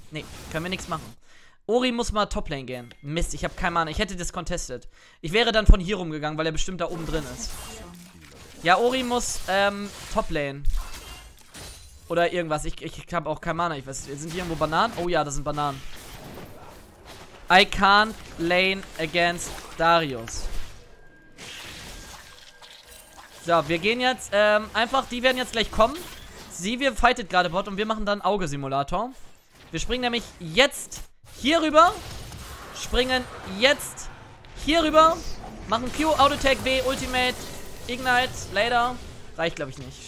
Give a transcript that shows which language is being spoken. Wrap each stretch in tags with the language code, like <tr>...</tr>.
<de>Nee, können wir nichts machen. Ori muss mal Toplane gehen. Mist, ich habe keinen Mana. Ich hätte das contestet. Ich wäre dann von hier rumgegangen, weil er bestimmt da oben drin ist. Ja, Ori muss Toplane. Oder irgendwas. Ich habe auch keinen Mana. Ich weiß, sind hier irgendwo Bananen? Oh ja, das sind Bananen.</de> <en>I can't lane against Darius.</en> <de>So, wir gehen jetzt einfach. Die werden jetzt gleich kommen. Sie, wir fightet gerade Bot und wir machen dann Auge-Simulator. Wir springen nämlich jetzt hier rüber. Springen jetzt hier rüber. Machen Q, Auto-Tag, W, Ultimate, Ignite, Later. Reicht, glaube ich, nicht.</de>